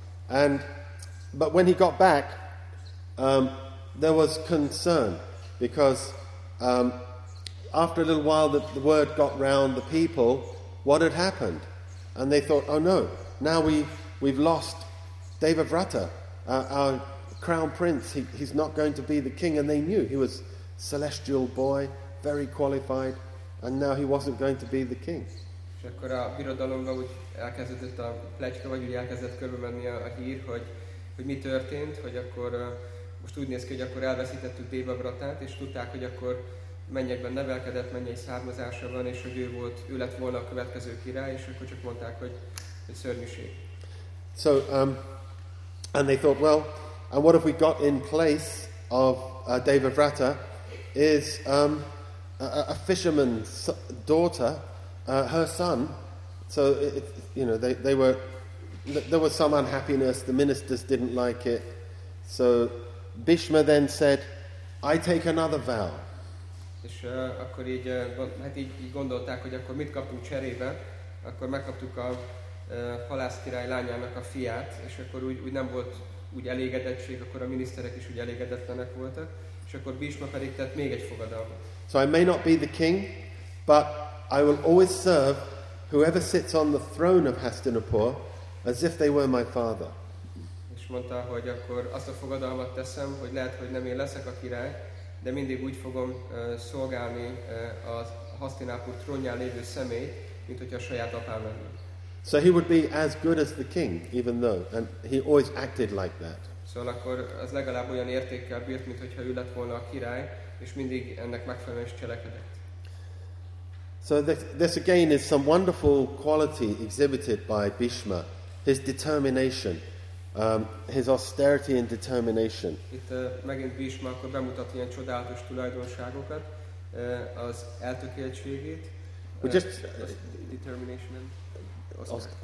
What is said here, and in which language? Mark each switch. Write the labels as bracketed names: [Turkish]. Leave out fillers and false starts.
[English] And but when he got back, there was concern, because after a little while the word got round the people what had happened, and they thought, oh no, now we've lost Devavrata, our crown prince. He's not going to be the king. And they knew he was celestial boy, very qualified, and now he wasn't going to be the king. [Hungarian] És akkor a birodalomba úgy elkezdett a plecska, vagy úgy elkezdett körbemenni a hír, hogy mi történt, hogy akkor most úgy néz ki, hogy akkor elveszítettük Devavratát, és tudták, hogy akkor mennyekben nevelkedett, mennyei származása van, és hogy ő lett volna a következő király, és akkor csak mondták, hogy szörnyűség. [English] So, and they thought, well, and what have we got in place of Devavrata is a fisherman's daughter, her son. So there was some unhappiness. The ministers didn't like it. So Bhishma then said, "I take another vow." [Hungarian] És akkor így, hát így gondolták, hogy akkor mit kaptunk cserébe? Akkor megkaptuk a halász király lányának a fiát, és akkor úgy nem volt úgy elégedettség, akkor a miniszterek is úgy elégedetlenek voltak, és akkor Bhishma pedig tett még egy fogadalmat. [English] So I may not be the king, but I will always serve whoever sits on the throne of Hastinapur as if they were my father. [Hungarian] És mondta, hogy akkor azt a fogadalmat teszem, hogy lehet, hogy nem én leszek a király, de mindig úgy fogom szolgálni a Hastinapur trónján lévő személyt, mint hogyha a saját apám lenne. [English] So he would be as good as the king, even though, and he always acted like that. [Hungarian] Szóval akkor az legalább olyan értékkel bírt, mint hogyha ő lett volna a király, és mindig ennek megfelelően cselekedett. [English] So this again is some wonderful quality exhibited by Bhishma, his determination, his austerity and determination. [Hungarian] Itt megint Bhishma akkor bemutat ilyen csodálatos tulajdonságokat, az eltökéltségét, [English] determination and